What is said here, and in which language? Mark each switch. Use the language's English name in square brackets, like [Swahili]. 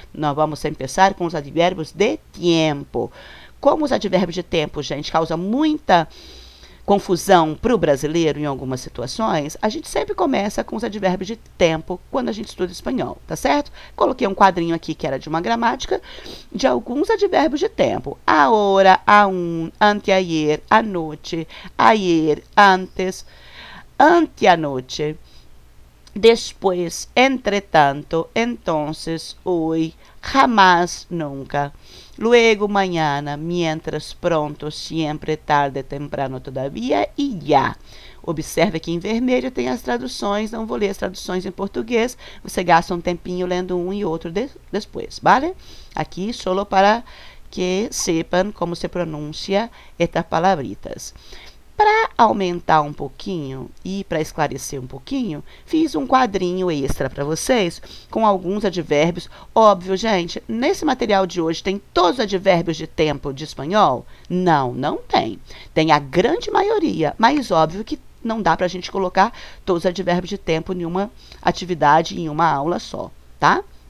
[Portuguese] Nós vamos começar com os advérbios de tempo. Como os advérbios de tempo, gente, causam muita confusão para o brasileiro em algumas situações, a gente sempre começa com os advérbios de tempo quando a gente estuda espanhol, tá certo? Coloquei um quadrinho aqui que era de uma gramática de alguns advérbios de tempo. [Spanish] Ahora, aún, anteayer, anoche, ayer, antes, anteanoche, después, entretanto, entonces, hoy, jamás, nunca. Luego, mañana, mientras, pronto, siempre, tarde, temprano, todavía e ya. [Portuguese] Observe que em vermelho tem as traduções. Não vou ler as traduções em português. Você gasta um tempinho lendo um e outro depois, vale? [Spanish] Aqui, solo para que sepan como se pronuncia estas palavritas. [Portuguese] Para aumentar um pouquinho e para esclarecer um pouquinho, fiz um quadrinho extra para vocês com alguns advérbios. Óbvio, gente, nesse material de hoje tem todos os advérbios de tempo de espanhol? Não, não tem. Tem a grande maioria, mas óbvio que não dá para a gente colocar todos os advérbios de tempo em uma atividade, em uma aula só, tá?